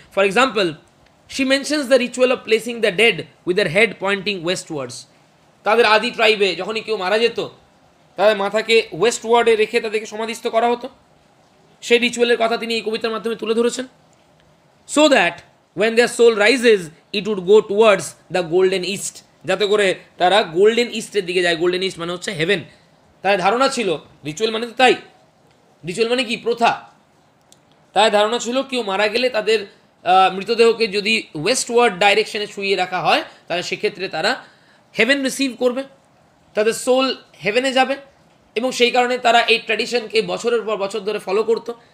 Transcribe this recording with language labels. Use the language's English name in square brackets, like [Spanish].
[English] For example, she mentions the ritual of placing the dead with the head pointing westwards. [Bangla] তাদের আদি ট্রাইবে যখনই কেউ মারা যেত, তাদের মাথাকে ওয়েস্টওয়ার্ডে রেখে তাদেরকে সমাধিস্থ করা হতো, সেই রিচুয়ালের কথা তিনি এই কবিতার মাধ্যমে তুলে ধরেছেন। [English] So that when their soul rises, it would go towards the golden east. [Bangla] যাতে করে তারা গোল্ডেন ইস্টের দিকে যায়, গোল্ডেন ইস্ট মানে হচ্ছে হেভেন। তার ধারণা ছিল, রিচুয়াল মানে তো তাই, রিচুয়াল মানে কি প্রথা, তার ধারণা ছিল কেউ মারা গেলে তাদের মৃতদেহকে যদি ওয়েস্ট ওয়ার্ড ডাইরেকশনে শুয়ে রাখা হয় তাহলে সেক্ষেত্রে তারা হেভেন রিসিভ করবে, তাদের সোল হেভেনে যাবে, এবং সেই কারণে তারা এই ট্র্যাডিশনকে বছরের পর বছর ধরে ফলো করতো।